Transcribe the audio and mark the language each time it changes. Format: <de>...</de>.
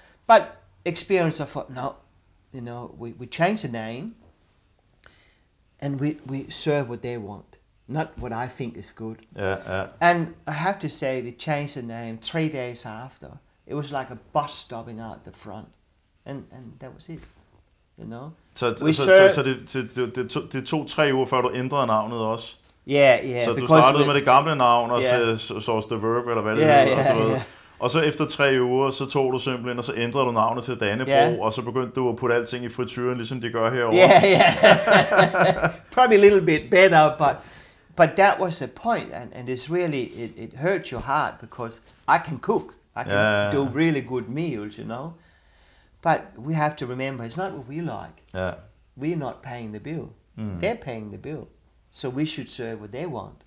<en>But experience, I thought, no, you know, we changed the name and we serve what they want, not what I think is good. Yeah. And I have to say, we changed the name 3 days after. It was like a bus stopping out the front. And that was it, you know.</en> <da>Så det tog 3 uger, før du ændrede navnet også?</da> <en>Yeah.</en> <da>Så du startede med det gamle navn, og Sauce the Verb, eller hvad det hedder, du ved. Og så efter 3 uger, så tog du simpelthen, og så ændrede du navnet til Dannebro, og så begyndte du at putte alting i frityren, ligesom de gør herovre.</da> <en>Yeah. Probably a little bit better, but that was the point, and it's really, it hurts your heart, because I can cook. I can do really good meals, you know. But we have to remember, it's not what we like. Yeah. We're not paying the bill. Mm. They're paying the bill. So we should serve what they want.</en>